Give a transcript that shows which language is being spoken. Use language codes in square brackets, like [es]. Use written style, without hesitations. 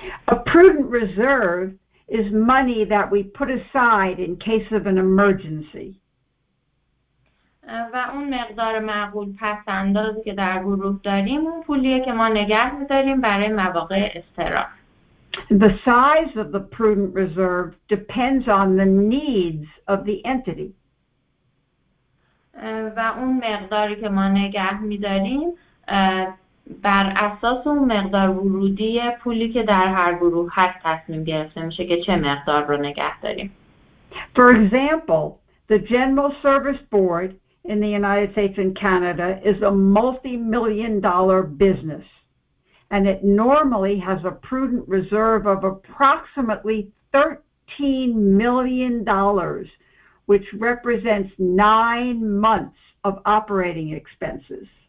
[en] A prudent reserve is money that we put aside in case of an emergency. [fa] و اون مقدار معقول پس اندازی که در گروه داریم اون پولیه که ما نگه می‌داریم برای مواقع اضطراب. [en] The size of the prudent reserve depends on the needs of the entity. [fa] و اون مقداری که ما نگه می‌داریم بر اساس اون مقدار ورودی پولی که در هر گروه هست تصمیم گرفته میشه که چه مقدار رو نگه داریم. [en] For example, the General Service Board in the United States and Canada is a multi-million dollar business, and it normally has a prudent reserve of approximately $13 million, which represents 9 months of operating expenses.